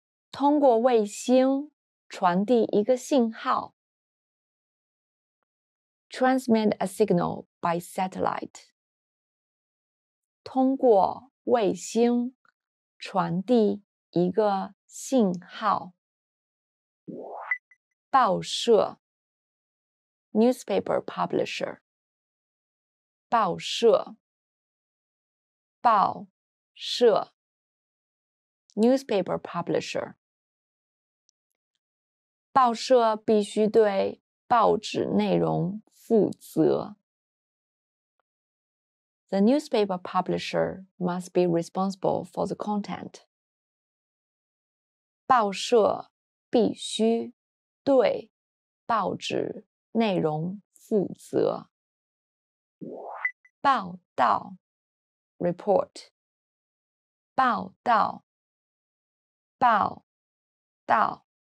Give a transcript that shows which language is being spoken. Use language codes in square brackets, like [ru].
[zh] 通过卫星传递一个信号。 [en] Transmit a signal by satellite. [zh] 通过卫星传递一个信号。报社。 [en] Newspaper publisher. [zh] 报社。报社。 [en] Newspaper publisher. [zh] 报社必须对报纸内容负责。 [en] The newspaper publisher must be responsible for the content. [zh] 报社必须对报纸内容负责。报道。 [en] Report. [zh] 报道。报道。